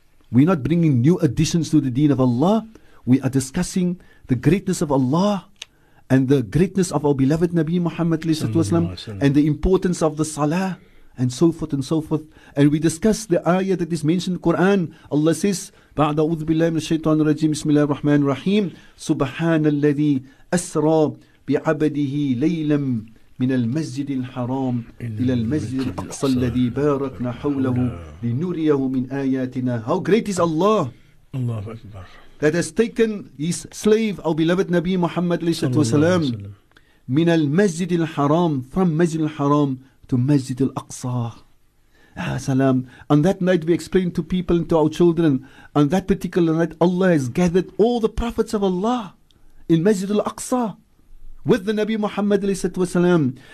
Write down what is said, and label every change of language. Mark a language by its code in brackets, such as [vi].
[en] We're not bringing new additions to the deen of Allah. We are discussing the greatness of Allah and the greatness of our beloved Nabi Muhammad wasalam, and the importance of the salah, and so forth and so forth. And we discuss the ayah that is mentioned in the Quran. Allah says, [ar] بعد أعوذ بالله من الشيطان الرجيم بسم الله الرحمن الرحيم سبحان الذي أسرى بعبده ليلا من المسجد الحرام إلى المسجد الأقصى الذي باركنا حوله لنريه من آياتنا. [en] How great is Allah! Allah Akbar. That has taken his slave, our beloved Nabi Muhammad sallallahu alayhi wa sallam, min al-masjid al-haram, from masjid al-haram to masjid al-aqsa. Ah, salam. On that night we explained to people and to our children, on that particular night Allah has gathered all the prophets of Allah in masjid al-aqsa with the Nabi Muhammad sallallahu alayhi wa sallam.